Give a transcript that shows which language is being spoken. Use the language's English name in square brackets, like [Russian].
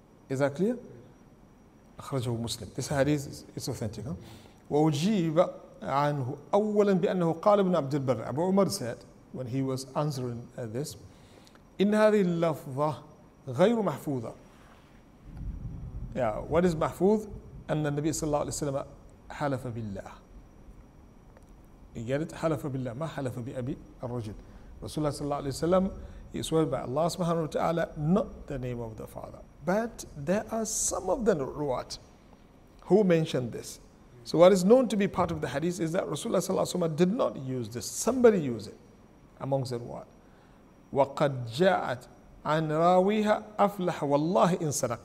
[English] Is that clear? [Arabic] Akhrajahu Muslim. [English] This hadith is authentic. [Arabic] وَوْجِيبَ عَنْهُ أَوَّلًا بِأَنَّهُ قَالَ ابْنَ عَبْدِ الْبَرِّ. [English] Abu Umar said, when he was answering this, [Arabic] إِنَّ هَذِي اللَّفْظَ غَيْرُ مَحْفُوظَ. [English] Yeah, what is mahfuz? [Arabic] أن النبي صلى الله عليه وسلم حلف بالله. [English] He get it? [Arabic] حلف بالله ما حلف بأبي الرجل. [English] Rasulullah صلى الله عليه وسلم, he swear by Allah subhanahu wa ta'ala, not the name of the father. But there are some of the ruwat who mentioned this. So what is known to be part of the hadith is that Rasulullah sallallahu alayhi wa sallam did not use this. Somebody used it amongst the ruwat. [Arabic] وَقَدْ جَاءَتْ عَنْ رَاوِيهَا أَفْلَحَ وَاللَّهِ إِنْ صَدَقَ.